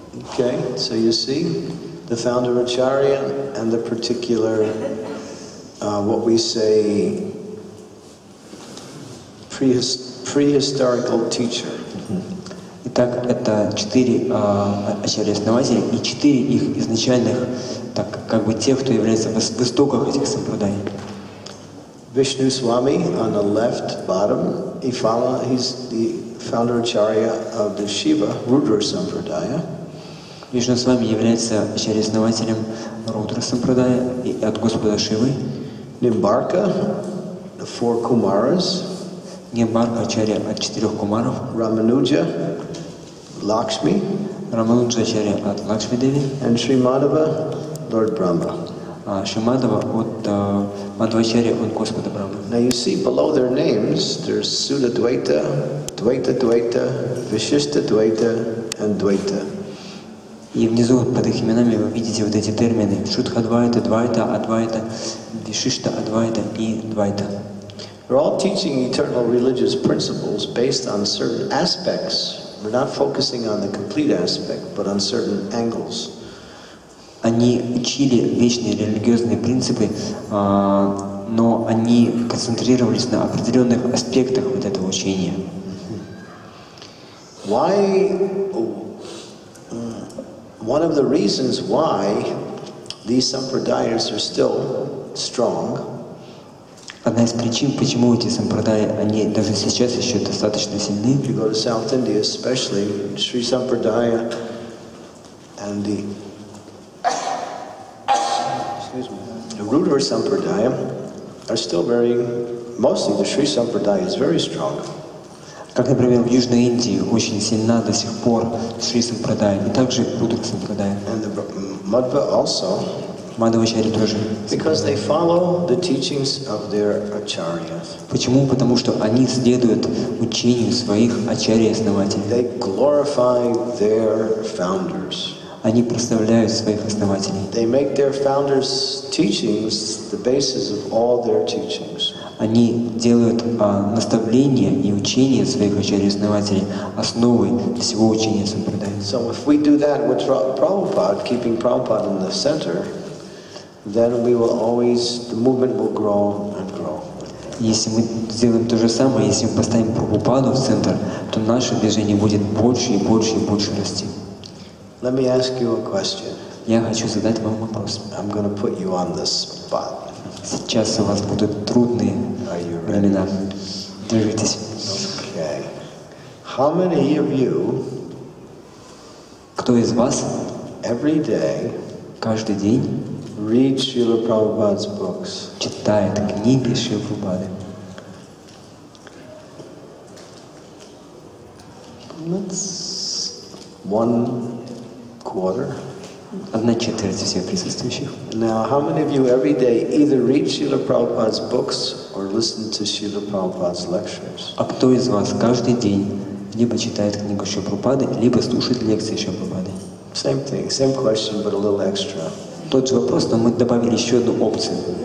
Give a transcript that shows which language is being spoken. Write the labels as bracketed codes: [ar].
[en] Okay, so you see the founder acharya and the particular what we say prehistorical teacher. [ru] Итак, это четыре ачарья-основателя и четыре их изначальных, так как бы тех, кто является в истоках этих сампрадай. [en] Vishnu Swami on the left bottom, Ifala, he's the founder acharya of the Shiva Rudra Sampradaya. [ru] Vishnu Swami является ачарья-основателем Рудра Сампрадая и от Господа Шивы. [en] Nimbarka, the four Kumaras. [ru] Nimbarka, ачарья от четырех кумаров. [en] Ramanuja, Lakshmi. [ru] Ramanuja, ачарья от Лакшми Деви. [en] And Sri Madhava, Lord Brahma. [ru] Sri Madhava от Мадхвачарья от Господа Брахмы. [en] Now you see below their names, there's Sudha Dvaita, Dvaita Dvaita, Vishishta Dvaita, and Dvaita. [ru] И внизу под их именами вы видите вот эти термины Шудхадвайта, Двайта, Адвайта, Вишишта Адвайта и Двайта. [en] They're all teaching eternal religious principles based on certain aspects. We're not focusing on the complete aspect, but on certain angles. [ru] Они учили вечные религиозные принципы, но они концентрировались на определенных аспектах вот этого учения. [en] Why? One of the reasons why these sampradayas are still strong. [ru] Одна из причин, почему эти сампрадаи, они даже сейчас еще достаточно сильны. [en] If you go to South India, especially Sri Sampradaya and the Rudra Sampradaya are still very, mostly the Sri Sampradaya is very strong. [ru] Как, например, в Южной Индии очень сильна до сих пор Шри Сампрадая, и также Рудра Сампрадая. [en] And the Madhva also. [ru] Мадхвачарьи тоже. [en] Because they follow the teachings of their acharyas. [ru] Почему? Потому что они следуют учению своих ачарий-основателей. [en] They glorify their founders. [ru] Они прославляют своих основателей. [en] They make their founders' teachings the basis of all their teachings. [ru] Они делают наставления и учения своих ачарий-основателей основой всего учения сампрадай. [en] So if we do that with Prabhupada, keeping Prabhupada in the center, then we will always, the movement will grow and grow. [ru] Если мы сделаем то же самое, если мы поставим Прабхупаду в центр, то наше движение будет больше и больше и больше расти. [en] Let me ask you a question. [ru] Я хочу задать вам вопрос. [en] I'm going to put you on the spot. [ru] Сейчас у вас будут трудные времена. Держитесь. [en] Okay. How many of you? [ru] Кто из вас? [en] Every day. [ru] Каждый день. [en] Read Srila Prabhupada's books. [ru] Читает книги Шрилы Прабхупады. [en] That's one. Quarter. [ru] Одна четверть всех присутствующих. [en] Now, how many of you every day either read Srila Prabhupada's books or listen to Srila Prabhupada's lectures? [ru] А кто из вас каждый день либо читает книгу Шрилы Прабхупады, либо слушает лекции Шрилы Прабхупады? [en] Same thing, same question, but a little extra. [ru] Тот же вопрос, но мы добавили еще одну опцию.